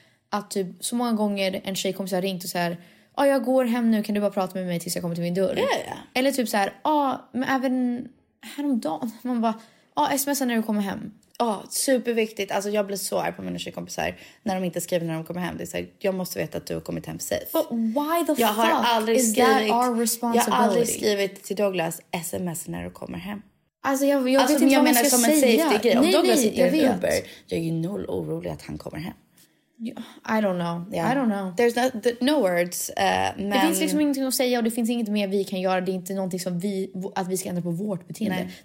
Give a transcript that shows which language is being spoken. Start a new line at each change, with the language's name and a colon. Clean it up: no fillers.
Swedish: Att typ så många gånger en tjej kom så här ringt och så här. Ja, jag går hem nu, kan du bara prata med mig tills jag kommer till min dörr?
English: Yeah, yeah.
Swedish: Eller typ så här, men även häromdagen. Man bara, smsa när du kommer hem. Ja, superviktigt. Alltså jag blir så arg på mina tjejkompisar när de inte skriver när de kommer hem. Det är så här, jag måste veta att du har kommit hem safe.
English: But why the fuck is that our responsibility?
Swedish: Jag har aldrig skrivit till Douglas sms när du kommer hem. Alltså jag vet inte vad man ska säga. Jag menar som en safety grej. Om Douglas sitter i Uber, jag är ju noll orolig att han kommer hem.
English: I don't know. Yeah. I don't know. There's no words. Men...
Swedish: Det finns liksom ingenting att säga och det finns inget mer vi kan göra. Det är inte någonting som att vi ska ändra på vårt beteende. Nej.